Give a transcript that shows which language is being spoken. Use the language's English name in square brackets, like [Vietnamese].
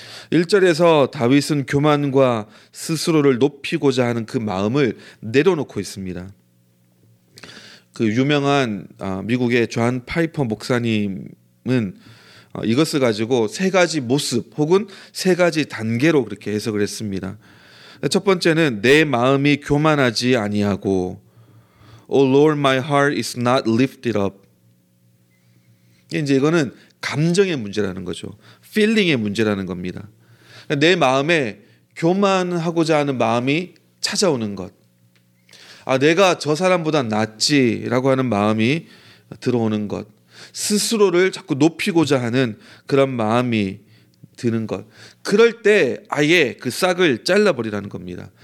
[Korean] 1절에서 다윗은 교만과 스스로를 높이고자 하는 그 마음을 내려놓고 있습니다. 그 유명한 미국의 존 파이퍼 목사님은 이것을 가지고 세 가지 모습 혹은 세 가지 단계로 그렇게 해석을 했습니다. 첫 번째는 내 마음이 교만하지 아니하고, [English] Oh Lord, my heart is not lifted up. [Korean] 이제 이거는 감정의 문제라는 거죠. Feeling의 문제라는 겁니다. 내 마음에 교만하고자 하는 마음이 찾아오는 것, 아, 내가 저 사람보다 낫지라고 하는 마음이 들어오는 것, 스스로를 자꾸 높이고자 하는 그런 마음이 드는 것, 그럴 때 아예 그 싹을 잘라버리라는 겁니다.